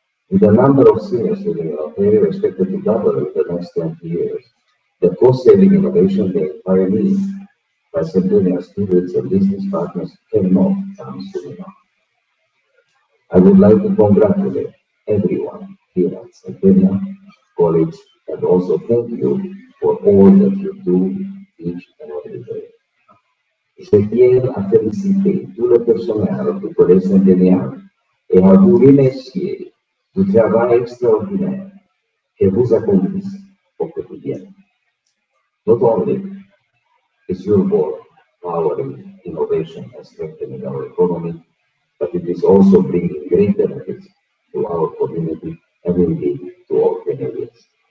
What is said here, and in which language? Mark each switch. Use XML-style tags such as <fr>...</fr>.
<en>With the number of seniors living in Ontario expected to double in the next 20 years, the cost-saving innovation they pioneered by Centennial students and business partners cannot come soon enough. I would like to congratulate everyone here at Centennial College and also thank you for all that you do each and every day.</en> <fr>Je tiens à féliciter tout le personnel du Collège Centennial et à vous remercier du travail extraordinaire que vous accomplissez au quotidien.</fr> <en>Not only is your work powering innovation and strengthening our economy, but it is also bringing great benefits to our community and indeed to all Canadians.</en>